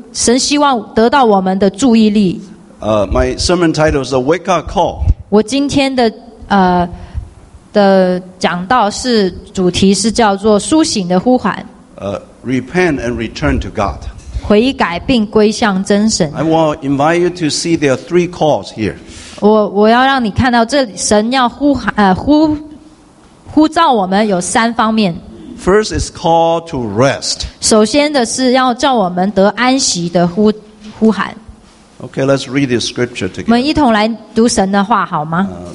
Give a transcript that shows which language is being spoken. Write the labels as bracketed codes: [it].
[zh] 神希望得到我们的注意力。 [en] My sermon title is a wake up call. [zh] 我今天的讲道是主题是叫做苏醒的呼喊。 [en] Repent and return to God. [zh] 悔改并归向真神。 [en] I will invite you to see there are three calls here. [zh] 我要让你看到这里神要呼喊呼召我们有三方面。 [en] First is call to rest. [zh] 首先的是要叫我们得安息的呼喊。 [en] Okay, let's read this scripture together. [zh] 我们一同来读神的话好吗？